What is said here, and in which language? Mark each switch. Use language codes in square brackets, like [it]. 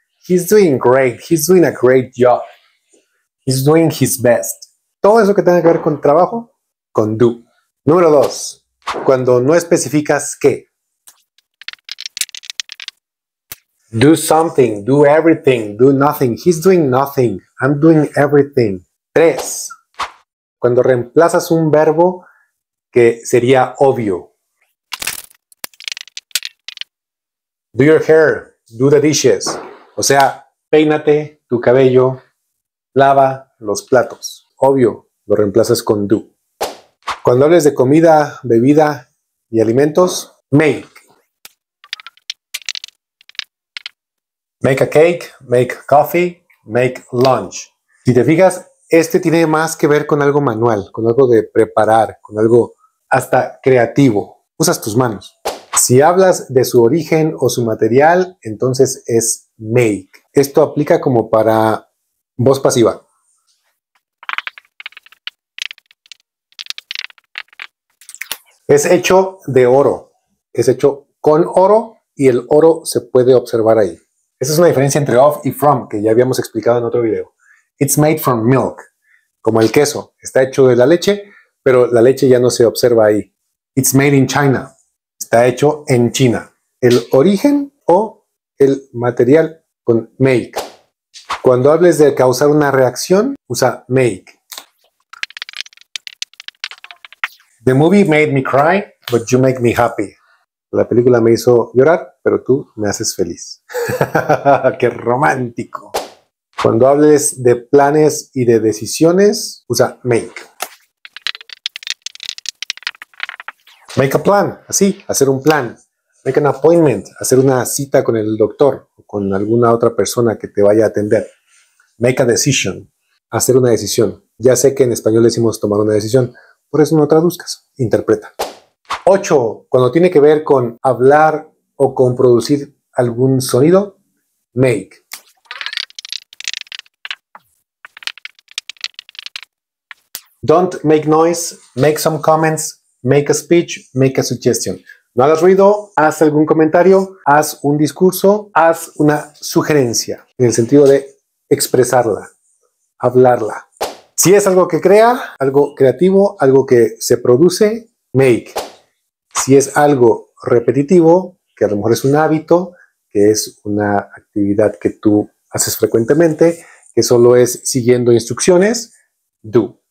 [en] He's doing great, he's doing a great job, he's doing his best. [es] Todo eso que tenga que ver con trabajo, con do. Número 2. Cuando no especificas qué. [en] Do something, do everything, do nothing. He's doing nothing, I'm doing everything. [es] 3. Cuando reemplazas un verbo que sería obvio. [en] Do your hair, do the dishes. [es] O sea, péinate tu cabello, lava los platos. Obvio, lo reemplazas con do. Cuando hables de comida, bebida y alimentos, make. [en] Make a cake, make coffee, make lunch. [es] Si te fijas, este tiene más que ver con algo manual, con algo de preparar, con algo hasta creativo. Usas tus manos. Si hablas de su origen o su material, entonces es make. Esto aplica como para voz pasiva. Es hecho de oro. Es hecho con oro y el oro se puede observar ahí. Esa es una diferencia entre of y from que ya habíamos explicado en otro video. [en] It's made from milk. [es] Como el queso. Está hecho de la leche, pero la leche ya no se observa ahí. [en] It's made in China. [es] Está hecho en China. El origen o el material con make. Cuando hables de causar una reacción, usa make. [en] The movie made me cry, but you make me happy. [es] La película me hizo llorar, pero tú me haces feliz. ¡Qué romántico! Cuando hables de planes y de decisiones, usa make. [en] Make a plan, [es] así, hacer un plan. [en] Make an appointment, [es] hacer una cita con el doctor o con alguna otra persona que te vaya a atender. [en] Make a decision, [es] hacer una decisión. Ya sé que en español decimos tomar una decisión. Por eso no traduzcas, interpreta. 8. Cuando tiene que ver con hablar o con producir algún sonido, make. [en] Don't make noise, make some comments, make a speech, make a suggestion. [es] No hagas ruido, haz algún comentario, haz un discurso, haz una sugerencia, en el sentido de expresarla, hablarla. Si es algo que crea, algo creativo, algo que se produce, make. Si es algo repetitivo, que a lo mejor es un hábito, que es una actividad que tú haces frecuentemente, que solo es siguiendo instrucciones, do.